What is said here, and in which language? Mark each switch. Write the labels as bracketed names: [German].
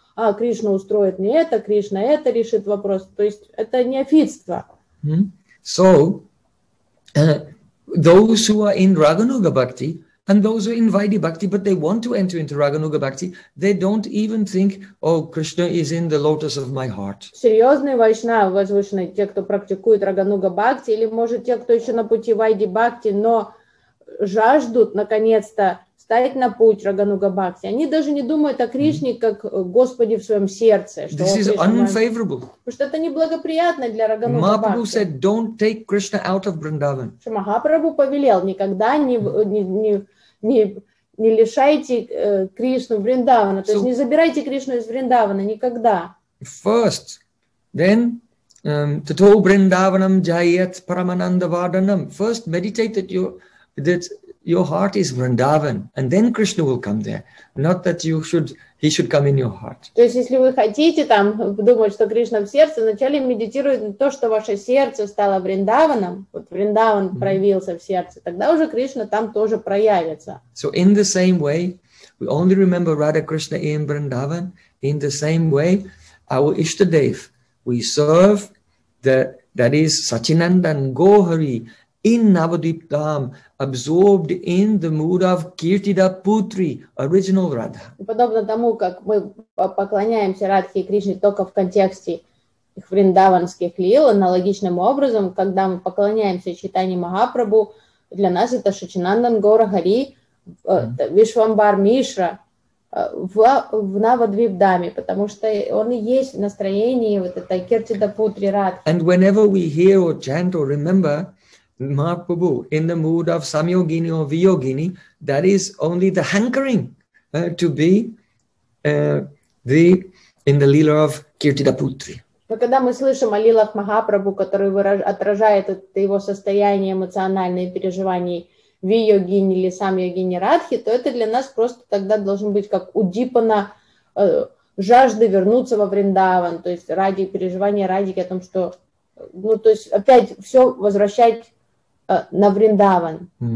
[Russian] А Кришна устроит мне это, Кришна это решит вопрос. То есть это неофитство. [English] So, those who are in Raganuga Bhakti and those who are in Vaidhi Bhakti, but they want to enter into Raganuga Bhakti, they don't even think, oh, Krishna is in the lotus of my heart. [Russian] Серьезные вайшнавы, возвышенные, те, кто практикует Рагануга Бхакти, или, может, те, кто еще на пути Вайди Бхакти, но жаждут, наконец-то, стать на путь Рагануга Бхакти. Они даже не думают о Кришне, как Господе в своем сердце. [English] This is unfavorable. [Russian] Потому что это неблагоприятно для Рагануга Бхакти. [English] Mahaprabhu said, don't take Krishna out of Vrindavan. [Russian] Махапрабху повелел, никогда не лишайте Кришну Вриндавана. То есть не забирайте Кришну из Вриндавана, никогда. [English] First, then, [Sanskrit] Тато Вриндаванам Джайет Парамананда Варданам. [English] First, meditate that your heart is Vrindavan, and then Krishna will come there. Not that he should come in your heart. [Russian] То есть, если вы хотите там думать, что Кришна в сердце, вначале медитируйте на то, что ваше сердце стало Вриндаваном, вот Вриндаван проявился в сердце, тогда уже Кришна там тоже проявится. [English] So in the same way, we only remember Radha Krishna in Vrindavan, in the same way, our Ishtadev, we serve that is Sachinandan Gohari, in Navadvip Dham, absorbed in the mood of Kirtida Putri, original Radha. [Russian] Подобно тому, как мы поклоняемся Радхе и Кришне только в контексте их вриндаванских лил, аналогичным образом, когда мы поклоняемся Чайтанье Махапрабху, для нас это Шачинандан Гора Хари, Вишвамбар Мишра в Навадвип Дхаме, потому что он и есть в настроении вот этой Киртида Путри Радхи. [English] And whenever we hear or chant or remember Mahaprabhu in the mood of Samyogini or Viyogini, that is only the hankering to be in the Leela of Kirtida Putri. [Russian] Но когда мы слышим о лилах Махапрабху, который отражает это его состояние эмоциональные переживания Виогини или Самьогини Радхи, то это для нас просто тогда должен быть как удипана жажда вернуться во Вриндаван, то есть ради переживания Радхи о том, что ну, то есть опять все возвращать на Вриндаван.